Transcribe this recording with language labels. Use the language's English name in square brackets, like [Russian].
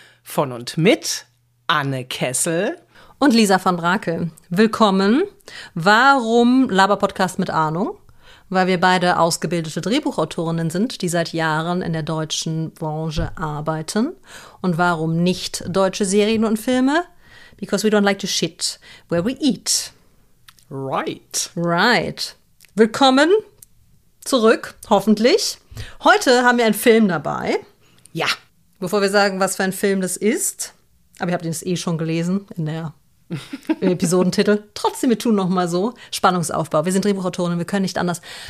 [German] Von und mit Anne Kessel und Lisa van Brakel. Willkommen. Warum Laber-Podcast mit Ahnung? Weil wir beide ausgebildete Drehbuchautorinnen sind, die seit Jahren in der deutschen Branche arbeiten. Und warum nicht deutsche Serien und Filme? [English] Because we don't like to shit where we eat. Right. Right. [German] Willkommen zurück, hoffentlich. Heute haben wir einen Film dabei. Ja. Bevor wir sagen, was für ein Film das ist, aber ihr habt ihn jetzt eh schon gelesen in der Episodentitel. Trotzdem, wir tun nochmal so. Spannungsaufbau. Wir sind Drehbuchautoren, wir können nicht anders.